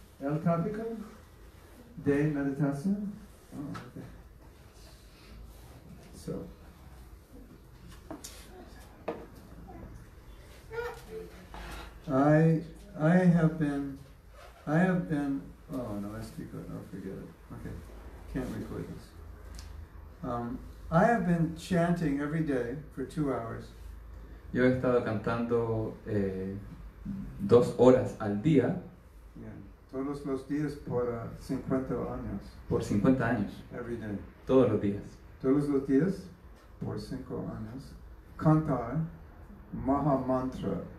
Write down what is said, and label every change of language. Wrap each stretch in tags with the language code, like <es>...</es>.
<es>El tópico de meditación.</es> <en>Oh, okay. So I have been oh no, I speak up, oh, forget it. Okay. Can't record this. I have been chanting every day for 2 hours.</en> <es>Yo he estado cantando 2 horas al día. Todos los días por 50 años. Por 50 años.</es> <en>Every day.</en> <es>Todos los días. Todos los días por 5 años. Cantar Maha Mantra.</es>